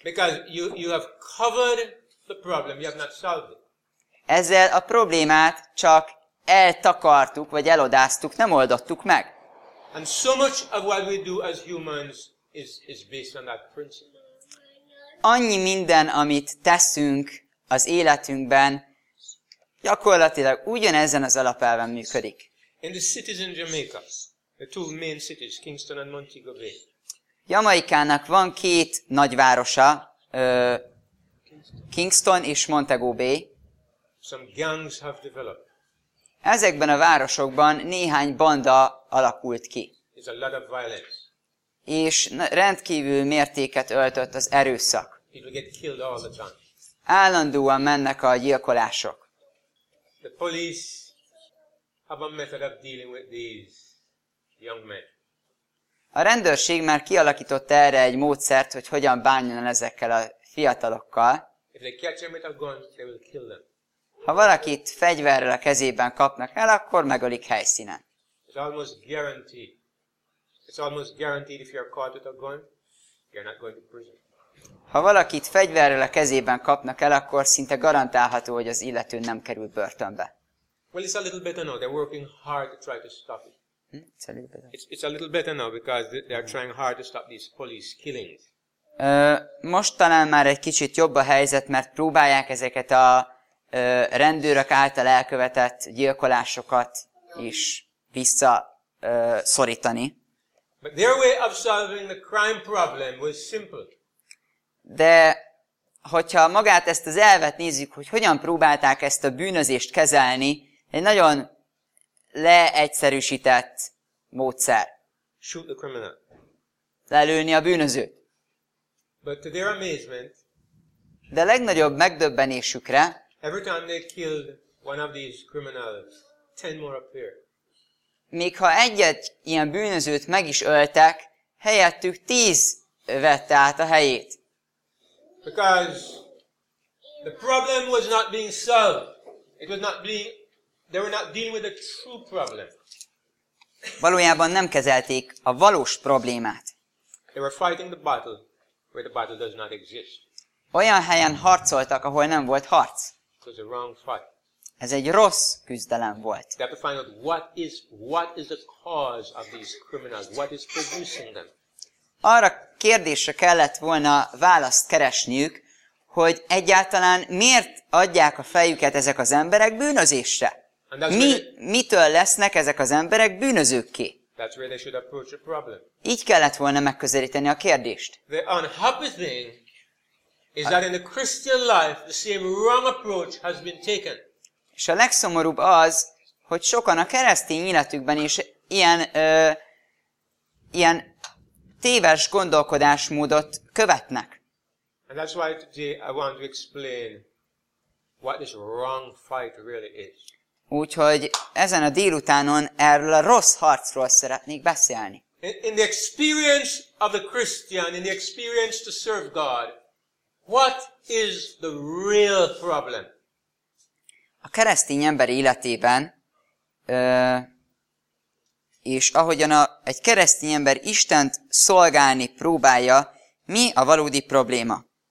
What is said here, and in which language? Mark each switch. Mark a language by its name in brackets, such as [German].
[English] Because you have covered the problem, you have not solved it. [Hungarian] Ezzel a problémát csak eltakartuk, vagy elodáztuk, nem oldottuk meg. [English] And so much of what we do as humans is based on that principle. [Hungarian] Annyi minden, amit teszünk az életünkben, gyakorlatilag ugyanezen az alapelven működik. [English] In the cities in Jamaica, the two main cities, Kingston and Montego Bay. [Hungarian] Jamaikának van két nagyvárosa, Kingston és Montego Bay. [English] Some gangs have developed. [Hungarian] Ezekben a városokban néhány banda alakult ki. [English] There's a lot of violence. [Hungarian] És rendkívül mértéket öltött az erőszak. [English] People get killed all the time. [Hungarian] Állandóan mennek a gyilkolások. [English] The police have a method of dealing with these young men. [Hungarian] A rendőrség már kialakított erre egy módszert, hogy hogyan bánjon ezekkel a fiatalokkal. [English] If they catch them with a gun, they will kill them. [Hungarian] Ha valakit fegyverrel a kezében kapnak el, akkor megölik helyszínen. [English] It's almost guaranteed if you're caught with a gun, you're not going to prison. [Hungarian] Ha valakit fegyverrel a kezében kapnak el, akkor szinte garantálható, hogy az illető nem kerül börtönbe. [English] Well, it's a little better now. They're working hard to try to stop it. It's a little better now because they are trying hard to stop these police killings. [Hungarian] Most talán már egy kicsit jobb a helyzet, mert próbálják ezeket a rendőrök által elkövetett gyilkolásokat is vissza szorítani. [English] But their way of solving the crime problem was simple. [Hungarian] De hogyha magát ezt az elvet nézzük, hogy hogyan próbálták ezt a bűnözést kezelni, egy nagyon leegyszerűsített módszer. [English] Shoot the criminal. [Hungarian] Lelőni a bűnözőt. [English] But to their amazement, [Hungarian] de legnagyobb megdöbbenésükre, [English] every time they killed one of these criminals, 10 more appeared. [Hungarian] Még ha egy-egy ilyen bűnözőt meg is öltek, helyettük 10 vette át a helyét. [English] Because the problem was not being solved. It was not being, they were not dealing with the true problem. [Hungarian] Valójában nem kezelték a valós problémát. [English] They were fighting the battle where the battle does not exist. [Hungarian] Olyan helyen harcoltak, ahol nem volt harc. [English] It was a wrong fight. [Hungarian] Ez egy rossz küzdelem volt. [English] They have to find out what is the cause of these criminals, what is producing them. [Hungarian] Arra kérdésre kellett volna választ keresniük, hogy egyáltalán miért adják a fejüket ezek az emberek bűnözésre? Mitől lesznek ezek az emberek bűnözőkké? [English] That's where they should approach the problem. [Hungarian] Így kellett volna megközelíteni a kérdést. [English] The unhappy thing is that in the Christian life the same wrong approach has been taken. [Hungarian] És a legszomorúbb az, hogy sokan a keresztény életükben is ilyen téves gondolkodásmódot követnek. [English] And that's why today I want to explain what this wrong fight really is. [Hungarian] Úgyhogy ezen a délutánon erről a rossz harcról szeretnék beszélni. [English] In the experience of the Christian, in the experience to serve God, what is the real problem? [Hungarian] A keresztény ember életében, és ahogyan egy keresztény ember Istent szolgálni próbálja, mi a valódi probléma?